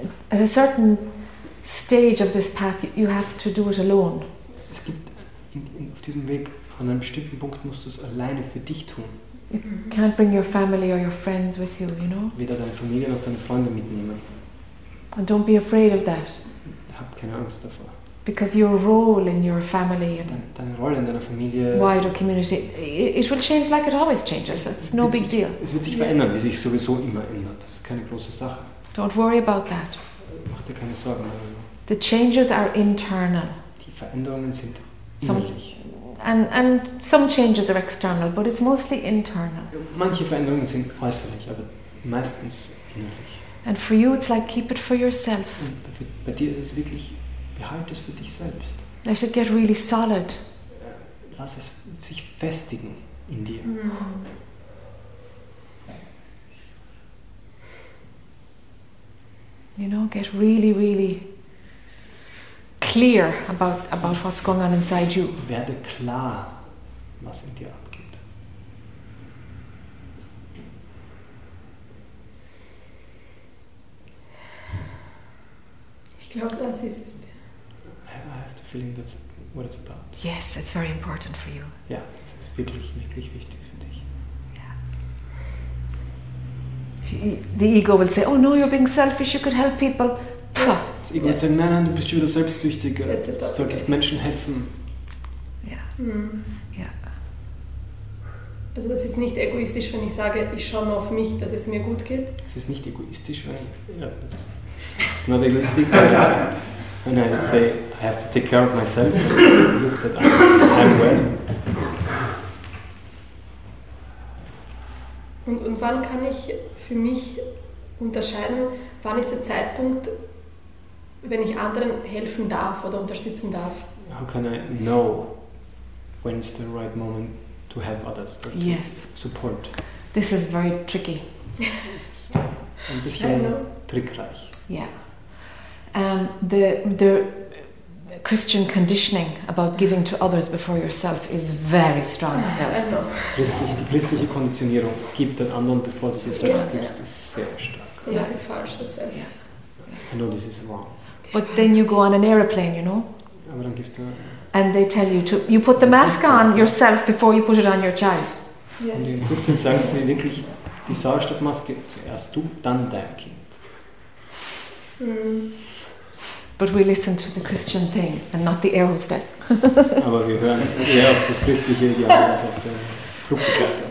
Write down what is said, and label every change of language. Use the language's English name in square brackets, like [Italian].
[English] at a certain stage of this path, you have to do it alone. [German] Es gibt auf diesem Weg an einem bestimmten Punkt musst du es alleine für dich tun. [English] You can't bring your family or your friends with you, you know. [German] Weder deine Familie noch deine Freunde mitnehmen. [English] And don't be afraid of that. [German] Hab keine Angst davor. [English] Because your role in your family and [German] deine Rolle in deiner Familie, [English] wider community, it will change like it always changes. It's no big deal. [German] Es wird sich verändern, wie sich sowieso immer ändert. Das ist keine große Sache. [English] Don't worry about that. [German] Mach dir keine Sorgen darüber. [English] The changes are internal. [German] Die Veränderungen sind innerlich. [English] And some changes are external, but it's mostly internal. [German] Manche Veränderungen sind äußerlich, aber meistens innerlich. [English] And for you, it's like keep it for yourself. [German] Bei dir ist es wirklich, behalte es für dich selbst. [English] Let it get really solid. [German] Lass es sich festigen in dir. [English] You know, get really, really clear about what's going on inside you. [German] Werde klar, was in dir abgeht. Ich glaube, das ist es. [English] I have the feeling that's what it's about. Yes, it's very important for you. [German] Ja, das ist wirklich, wirklich wichtig für dich. [English] The ego will say, oh no, you're being selfish, you could help people. Pah. [German] Das Ego wird sagen, nein, du bist wieder selbstsüchtig, du solltest Menschen helfen. Ja. Also das ist nicht egoistisch, wenn ich sage, ich schaue nur auf mich, dass es mir gut geht? Es ist nicht egoistisch, wenn ich... [English] It's not egoistic, but when I say, I have to take care of myself, and look that I'm well. [German] Und wann kann ich für mich unterscheiden, wann ist der Zeitpunkt, wenn ich anderen helfen darf oder unterstützen darf? [English] How can I know when is the right moment to help others or to support? This is very tricky. [German] Ein bisschen trickreich. [English] Yeah. The Christian conditioning about giving to others before yourself is very strong still. [German] Die christliche Konditionierung, gib den anderen bevor du dir selbst gibst, ist sehr stark. Ja. Das ist falsch, das weiß ich. [English] I know this is wrong. But then you go on an airplane, you know? [German] Aber dann gehst du, [English] and they tell you to, you put the mask on yourself before you put it on your child. [German] Und in Flugzeug sagen sie wirklich, die Sauerstoffmaske zuerst du, dann dein Kind. [English] But we listen to the Christian thing and not the air hostess. [German] Aber wir hören eher auf das christliche Ideal als auf den Flugbegleiter.